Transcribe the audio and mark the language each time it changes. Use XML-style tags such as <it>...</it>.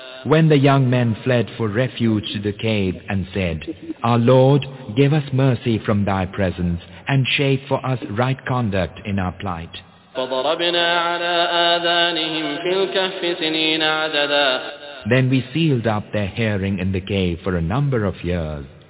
<en>When the young men fled for refuge to the cave and said, Our Lord, give us mercy from thy presence and shape for us right conduct in our plight.</en> <ar>فضربنا على آذانهم في الكهف سنين عددا.</ar> <en>Then we sealed up their hearing in the cave for a number of years.</en>